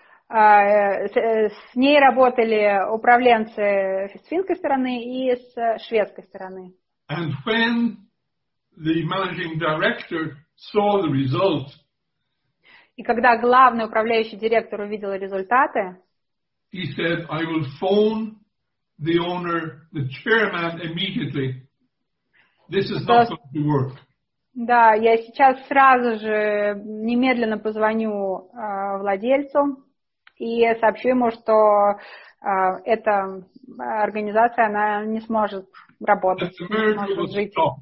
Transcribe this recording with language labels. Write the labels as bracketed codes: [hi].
[ru] С ней работали управленцы с финской стороны и с шведской стороны. [en] And when the managing director saw the result. [ru] И когда главный управляющий директор увидел результаты, [en] he said, I will phone the owner, the chairman immediately. This is not going to work. [ru] Да, я сейчас сразу же немедленно позвоню владельцу и сообщу ему, что эта организация, она не сможет работать, не сможет жить.